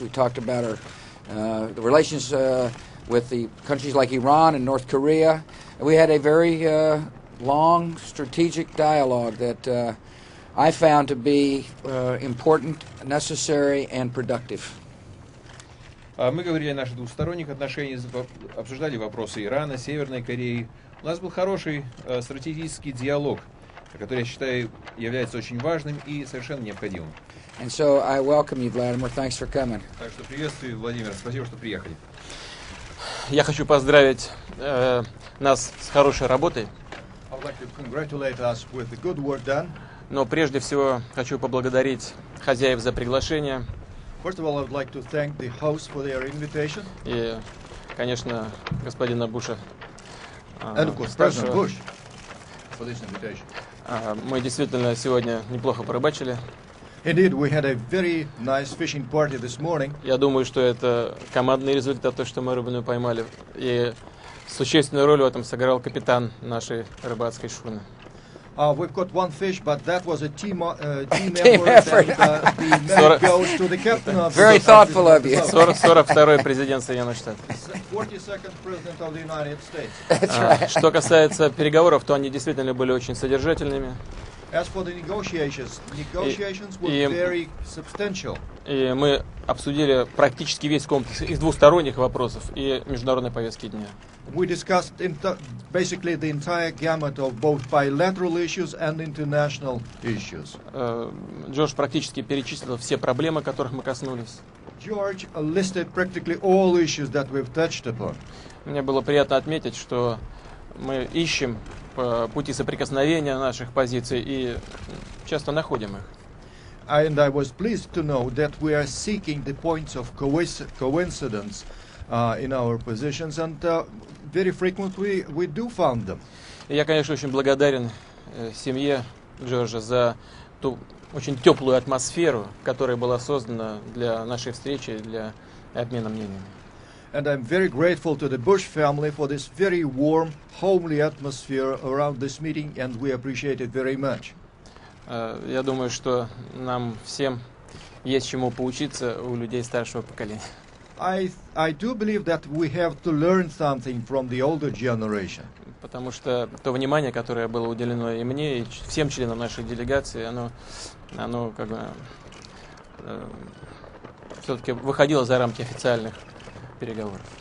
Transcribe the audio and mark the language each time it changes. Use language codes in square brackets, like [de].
[en] We talked about our the relations with the countries like Iran and North Korea. We had a very long strategic dialogue that I found to be important, necessary, and productive. [ru] Мы говорили о наших двусторонних отношениях, обсуждали вопросы Ирана, Северной Кореи. У нас был хороший стратегический диалог, который, я считаю, является очень важным и совершенно необходимым. [en] And so I welcome you, Vladimir. Thanks for coming. [ru] Так что приветствую, Владимир. Спасибо, что приехали. Я хочу поздравить нас с хорошей работой. [en] I would like to congratulate us with the good work done. [ru] Но прежде всего хочу поблагодарить хозяев за приглашение. [en] First of all, I would like to thank the host for their invitation. [ru] И, конечно, господина Буша. [en] And of course, President Bush for this invitation. [ru] Мы действительно сегодня неплохо порыбачили. [en] Indeed, we had a very nice fishing party this morning. [ru] Я думаю, что это командный результат, то, что мы рыбу поймали. И существенную роль в этом сыграл капитан нашей рыбацкой шхуны. [en] We've caught one fish, but that was a team effort. The medal goes to the captain of the Very thoughtful of you. 42nd president of the United States. [ru] Что касается переговоров, то они действительно были очень содержательными. [en] As for the negotiations were very substantial. [ru] И мы обсудили практически весь комплекс из двусторонних вопросов и международной повестки дня. [en] We discussed basically the entire gamut of both bilateral issues and international issues. [ru] Джордж практически перечислил все проблемы, которых мы коснулись. [en] George listed practically all issues that we've touched upon. [ru] Мне было приятно отметить, что мы ищем пути соприкосновения наших позиций и часто находим их. [en] And I was pleased to know that we are seeking the points of coincidence in our positions, and very frequently we do find them. [ru] Я, конечно, очень благодарен семье Джорджа за ту очень теплую атмосферу, которая была создана для нашей встречи, для обмена мнениями. [en] And I'm very grateful to the Bush family for this very warm, homely atmosphere around this meeting, and we appreciate it very much. [ru] Я думаю, что нам всем есть чему поучиться у людей старшего поколения. [en] I do believe that we have to learn something from the older generation. [ru] Потому что то внимание, которое было уделено и мне, и всем членам нашей делегации, оно как бы все-таки выходило за рамки официальных переговоров.